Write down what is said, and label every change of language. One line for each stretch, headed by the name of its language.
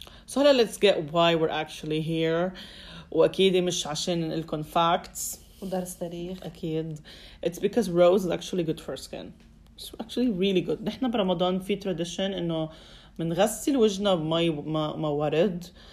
English: So now let's get why we're actually here.
Arabic: وأكيد مش عشان نقلكم facts. ودرس تاريخ. أكيد.
English: It's because rose is actually good for skin. It's actually really good.
Arabic: نحنا برمضان في tradition إنه منغسل وجهنا بمي ما ورد.